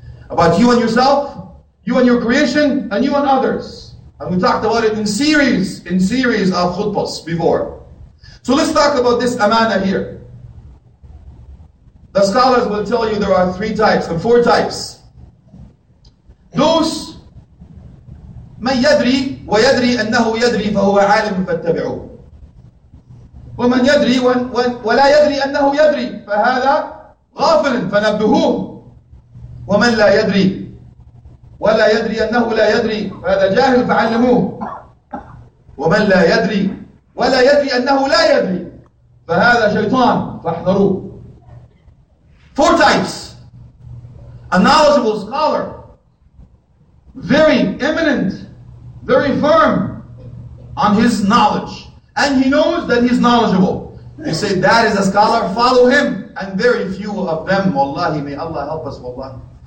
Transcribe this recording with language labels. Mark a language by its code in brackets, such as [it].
[en] About you and yourself, you and your creation, and you and others. And we talked about it in series of khutbas before. So let's talk about this amana here. The scholars will tell you there are three types and four types. [ar] Those من يدري ويدري أنه يدري فهو عالم فاتبعه. ومن يدري ولا يدري أنه يدري فهذا غافل فنبهوه. ومن لا يدري ولا يدري أنه لا يدري فهذا جاهل فعلموه. ومن لا يدري ولا يدري أنه لا يدري فهذا شيطان فاحذروه. [en] Four types. A knowledgeable scholar, very eminent, very firm on his knowledge. And he knows that he's knowledgeable. You say, that is a scholar, follow him. And very few of them, wallahi, may Allah help us, wallahi.